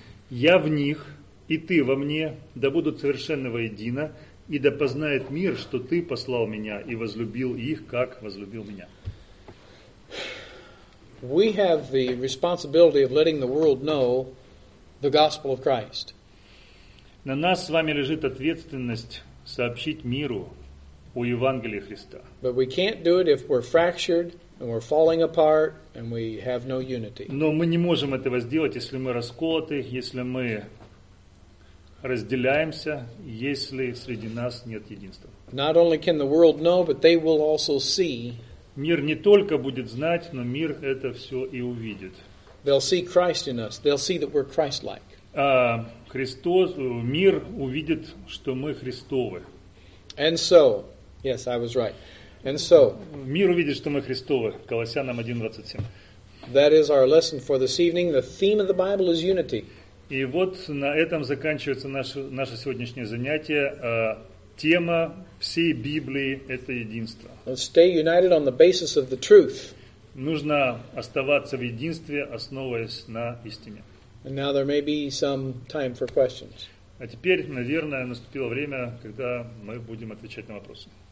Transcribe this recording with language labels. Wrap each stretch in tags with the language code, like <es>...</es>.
<ru>«Я в них, и ты во мне, да будут совершенно воедино, и да познает мир, что ты послал меня и возлюбил их, как возлюбил меня».</ru> <en>We have the responsibility of letting the world know the gospel of Christ.</en> <ru>На нас с вами лежит ответственность сообщить миру о Евангелии Христа.</ru> <en>But we can't do it if we're fractured and we're falling apart and we have no unity.</en> <ru>Но мы не можем этого сделать, если мы расколоты, если мы разделяемся, если среди нас нет единства.</ru> <en>Not only can the world know, but they will also see.</en> <ru>Мир не только будет знать, но мир это все и увидит.</ru> <en>They'll see Christ in us. They'll see that we're Christ-like.</en> <ru>Христос, мир увидит, что мы Христовы.</ru> <en>And so, yes, I was right. And so,</en> <ru>мир увидит, что мы Христовы. Колоссянам 1:27.</ru> <en>That is our lesson for this evening. The theme of the Bible is unity.</en> <ru>И вот на этом заканчивается наше сегодняшнее занятие. Тема всей Библии – это единство.</ru> <en>Let's stay united on the basis of the truth.</en> <ru>Нужно оставаться в единстве, основываясь на истине.</ru> <en>And now there may be some time for questions.</en> <ru>А теперь, наверное, наступило время, когда мы будем отвечать на вопросы.</ru>